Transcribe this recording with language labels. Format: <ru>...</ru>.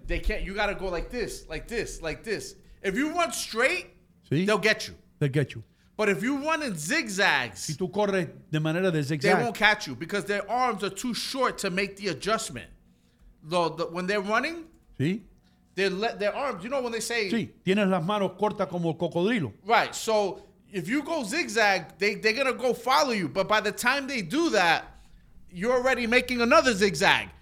<en>They can't. You gotta go like this. If you run straight, they'll get you. But if you run in zigzags,</en> <es>si tú corres de manera de zigzag,</es> <en>they won't catch you because their arms are too short to make the adjustment. When they're running,</en> <es>¿sí?</es> <en>Their arms, you know when they say...</en> <es>Sí, tienes las manos cortas como el cocodrilo.</es> <en>Right, so if you go zigzag, they're going to go follow you. But by the time they do that, you're already making another zigzag.</en>